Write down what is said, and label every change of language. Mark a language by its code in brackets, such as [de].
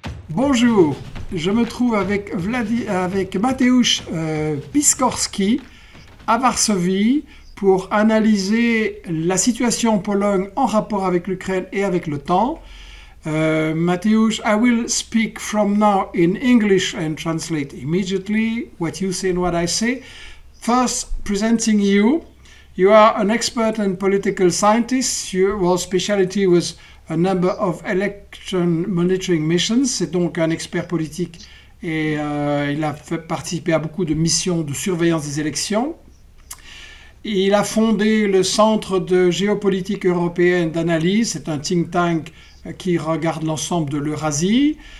[fr] Bonjour, je me trouve avec Mateusz Piskorski à Varsovie pour analyser la situation en Pologne en rapport avec l'Ukraine et avec l'OTAN. [en] Mateusz, I will speak from now in English and translate immediately what you say and what I say. First, presenting you. You are an expert and political scientist. Your specialty was a number of election monitoring missions. [fr] C'est donc un expert politique et il a fait participer à beaucoup de missions de surveillance des élections. Il a fondé le Centre de géopolitique européenne d'analyse. C'est un think tank qui regarde l'ensemble de l'Eurasie.